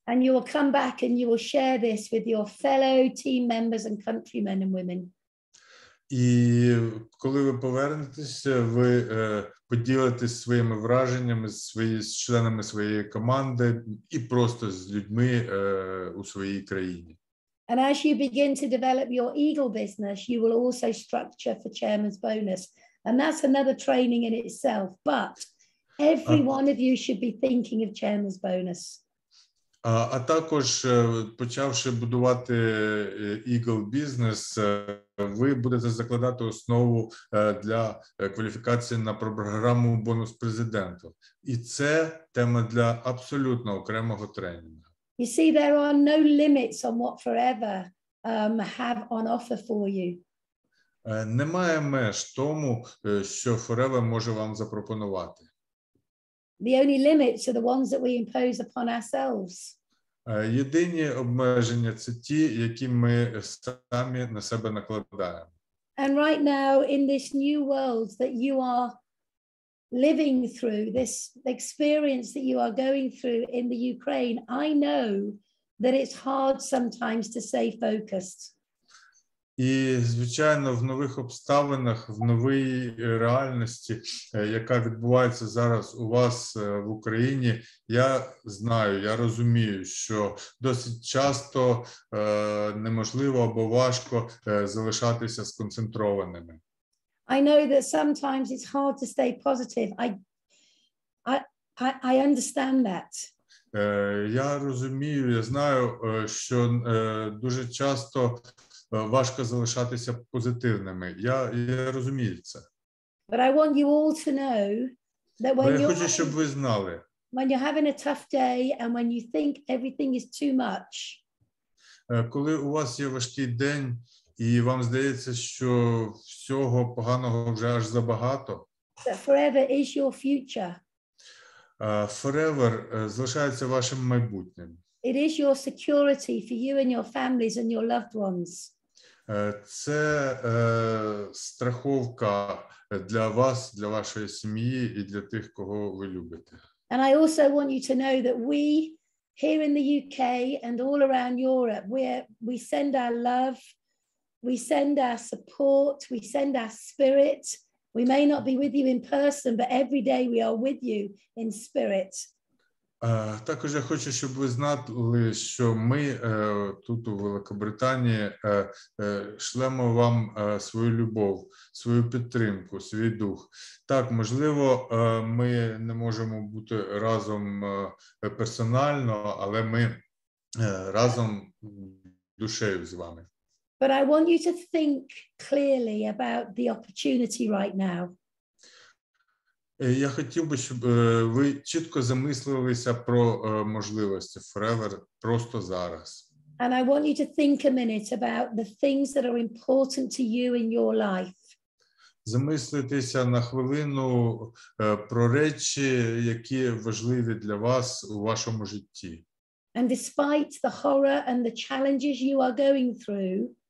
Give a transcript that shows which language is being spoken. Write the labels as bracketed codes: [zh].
[en] And you will come back and you will share this with your fellow team members and countrymen and women. [uk] І коли ви повернетеся, ви поділитесь своїми враженнями з членами своєї команди і просто з людьми у своїй країні. [en] And as you begin to develop your eagle business, you will also structure for chairman's bonus. And that's another training in itself, but every one of you should be thinking of chairman's bonus. [uk] А також, почавши будувати Eagle Business, ви будете закладати основу для кваліфікації на програму бонус президента. І це тема для абсолютно окремого тренінгу. [en] You see, there are no limits on what Forever have on offer for you. [uk] Немає меж тому, що Forever може вам запропонувати. [en] The only limits are the ones that we impose upon ourselves. [uk] Єдині обмеження – це ті, які ми самі на себе накладаємо. [en] And right now, in this new world that you are living through, this experience that you are going through in the Ukraine, I know that it's hard sometimes to stay focused. [uk] І, звичайно, в нових обставинах, в новій реальності, яка відбувається зараз у вас в Україні, я знаю, я розумію, що досить часто неможливо або важко залишатися сконцентрованими. [en] I know that sometimes it's hard to stay positive. I understand that. [uk] Я розумію, я знаю, що дуже часто важко залишатися позитивними. Я розумію це. [en] But I want you all to know that when [uk] я хочу, щоб ви знали. [en] When you're having a tough day and when you think everything is too much. [uk] Коли у вас є важкий день і вам здається, що всього поганого вже аж забагато. [en] That forever is your future. [uk] Forever залишається вашим майбутнім. [en] It is your security for you and your families and your loved ones. [uk] Це страховка для вас, для вашої сім'ї і для тих, кого ви любите. [en] And I also want you to know that we here in the UK and all around Europe, we send our love, we send our support, we send our spirit. We may not be with you in person, but every day we are with you in spirit. [uk] Також я хочу, щоб ви знали, що ми тут у Великобританії шлемо вам свою любов, свою підтримку, свій дух. Так, можливо, ми не можемо бути разом персонально, але ми разом душею з вами. [en] But I want you to think clearly about the opportunity right now. [uk] Я хотів би, щоб ви чітко замислилися про можливості Forever просто зараз. [en] And I want you to think a minute about the things that are important to you in your life. [uk] Замислитися на хвилину про речі, які важливі для вас у вашому житті. [en] And despite the horror and the challenges you are going through,